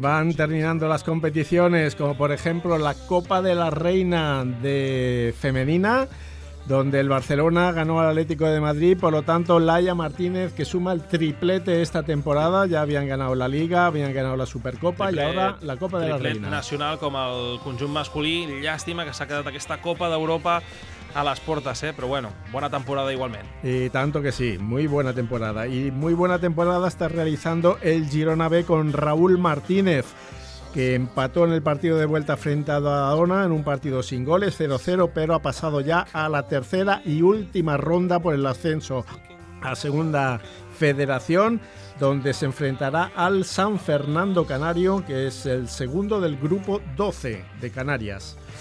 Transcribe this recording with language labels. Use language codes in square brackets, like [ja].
[es] Van terminando las competiciones, como por ejemplo la Copa de la Reina de Femenina, donde el Barcelona ganó al Atlético de Madrid. Por lo tanto, Laia Martínez, que suma el triplete esta temporada. Ya habían ganado la Liga, habían ganado la Supercopa [ca] triplet, [es] y ahora la Copa de la Reina. [ca] Triplet nacional com el conjunt masculí. Llàstima que s'ha quedat aquesta Copa d'Europa a les portes, eh? Però bueno, bona temporada igualment. [es] Y tanto que sí, muy buena temporada. Y muy buena temporada está realizando el Girona B con Raúl Martínez, que empató en el partido de vuelta frente a Badalona en un partido sin goles, 0-0, pero ha pasado ya a la tercera y última ronda por el ascenso a Segunda Federación, donde se enfrentará al San Fernando Canario, que es el segundo del grupo 12 de Canarias.